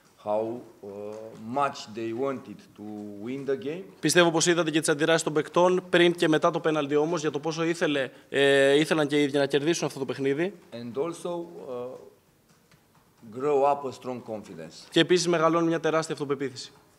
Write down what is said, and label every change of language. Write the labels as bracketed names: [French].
[English] How much they wanted to win the game. [Greek] Πιστεύω πως είδατε και τις αντιδράσεις των παικτών πριν και μετά το πέναλτι όμως για το πόσο ήθελαν και οι ίδιοι να κερδίσουν αυτό το παιχνίδι. [English] And also grow up a strong confidence. [Greek] Και επίσης μεγαλώνει μια τεράστια αυτοπεποίθηση.